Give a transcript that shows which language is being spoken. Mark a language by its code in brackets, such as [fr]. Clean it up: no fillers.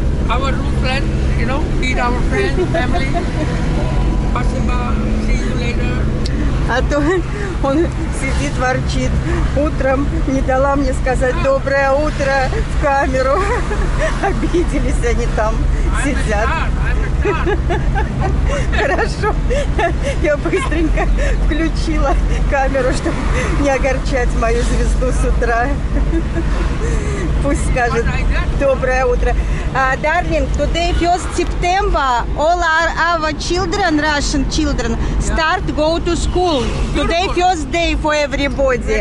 [en] Our new friend, you know, meet our friends, family. [ru] Спасибо, [en] see you later. [ru] А то он сидит, ворчит. Утром не дала мне сказать доброе утро в камеру. Обиделись они там, сидят. Хорошо, я быстренько включила камеру, чтобы не огорчать мою звезду с утра. Пусть скажет доброе утро. [en] Дарлинг, today first September, all our children, Russian children, start go to school. Today first day for everybody.